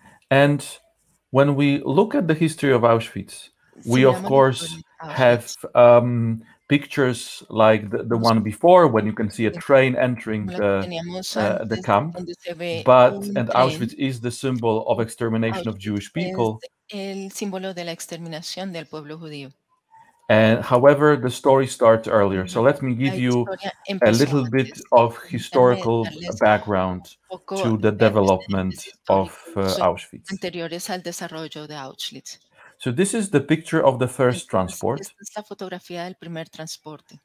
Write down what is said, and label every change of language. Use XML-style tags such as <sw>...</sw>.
<en>And When we look at the history of Auschwitz, we of course have pictures like the one before, when you can see a train entering the camp, but and Auschwitz is the symbol of extermination of Jewish people.</en> <es>El símbolo de la exterminación del pueblo judío.</es> <en>And however, the story starts earlier. So let me give you a little bit of historical background to the development of Auschwitz.</en> <es>Anteriores al desarrollo de Auschwitz.</es> <en>So this is the picture of the first transport.</en> <es>Es la fotografía del primer transporte.</es>